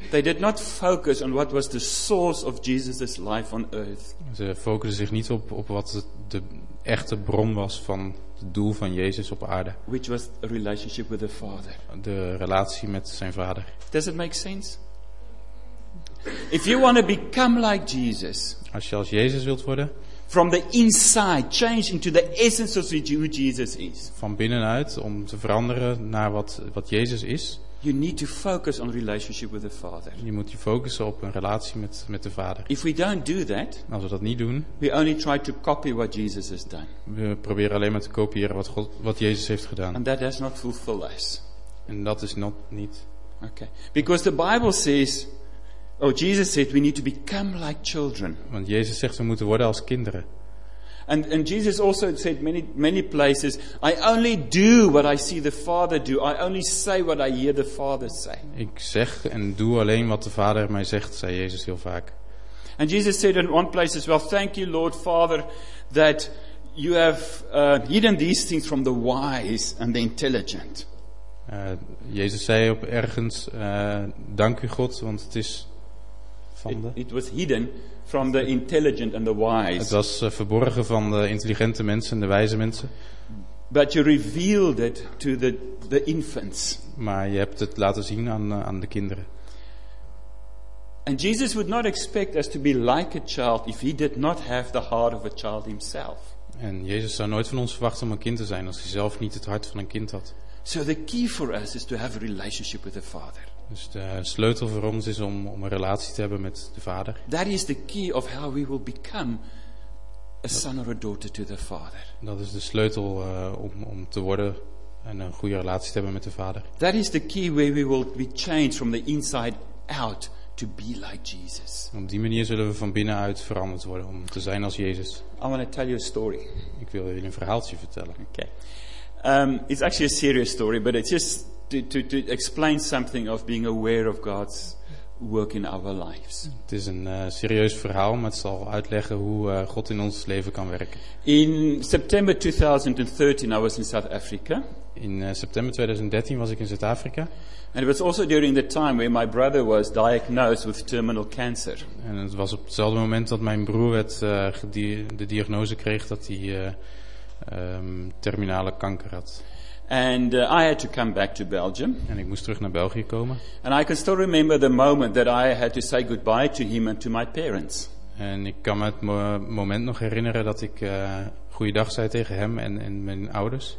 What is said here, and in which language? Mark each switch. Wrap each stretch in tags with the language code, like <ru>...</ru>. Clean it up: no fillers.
<en>They did not focus on what was the source of Jesus' life on earth.</en> <nl>Ze focusten zich niet op wat de echte bron was van het doel van Jezus op aarde.</nl> <en>Which was a relationship with the Father.</en> <nl>De relatie met zijn vader.</nl> <en>Does it make sense? If you want to become like Jesus.</en> <nl>Als je als Jezus wilt worden.</nl> <en>From the inside, change into the essence of who Jesus is.</en> <nl>Van binnenuit, om te veranderen naar wat Jezus is.</nl> <en>You need to focus on relationship with the Father.</en> <nl>Je moet je focussen op een relatie met de Vader.</nl> <en>If we don't do that,</en> <nl>als we dat niet doen,</nl> <en>we only try to copy what Jesus has done.</en> <nl>We proberen alleen maar te kopiëren wat Jezus heeft gedaan.</nl> <en>And that does not fulfill us.</en> <nl>En dat is not niet.</nl> <en>Okay, because the Bible says. Oh, Jesus said we need to become like children.</en> <nl>Want Jezus zegt we moeten worden als kinderen.</nl> <en>And Jesus also said many places, I only do what I see the Father do. I only say what I hear the Father say.</en> <nl>Ik zeg en doe alleen wat de Vader mij zegt, zei Jezus heel vaak.</nl> <en>And Jesus said in one place as well, thank you Lord Father that you have hidden these things from the wise and the intelligent.</en> <nl>Jezus zei op ergens dank u God, want het is</nl> <en>It was hidden from the intelligent and the wise.</en> <nl>Het was verborgen van de intelligente mensen en de wijze mensen.</nl> <en>But you revealed it to the infants.</en> <nl>Maar je hebt het laten zien aan de kinderen.</nl> <en>And Jesus would not expect us to be like a child if he did not have the heart of a child himself.</en> <nl>En Jezus zou nooit van ons verwachten om een kind te zijn als hij zelf niet het hart van een kind had.</nl> <en>So the key for us is to have a relationship with the Father.</en> <nl>Dus de sleutel voor ons is om een relatie te hebben met de Vader.</nl> <en>That is the key of how we will become a son or a daughter to the Father.</en> <nl>Dat is de sleutel om te worden en een goede relatie te hebben met de Vader.</nl> <en>That is the key where we will be changed from the inside out to be like Jesus.</en> <nl>Op die manier zullen we van binnenuit veranderd worden om te zijn als Jezus.</nl> <en>I want to tell you a story.</en> <nl>Ik wil jullie een verhaaltje vertellen.</nl> <en>Okay. It's actually a serious story, but it's just to explain something of being aware of God's work in our lives.</en> <nl>Het is een serieus verhaal, maar het zal uitleggen hoe God in ons leven kan werken.</nl> <en>In september 2013 I was in South Africa.</en> <nl>In september 2013 was ik in Zuid-Afrika.</nl> <en>And it was also during the time where my brother was diagnosed with terminal cancer.</en> <nl>En het was op hetzelfde moment dat mijn broer de diagnose kreeg dat hij terminale kanker had.</nl> <en>And I had to come back to Belgium.</en> <nl>En ik moest terug naar België komen.</nl> <en>And I can still remember the moment that I had to say goodbye to him and to my parents.</en> <nl>En ik kan me het moment nog herinneren dat ik goeiedag zei tegen hem en mijn ouders.</nl>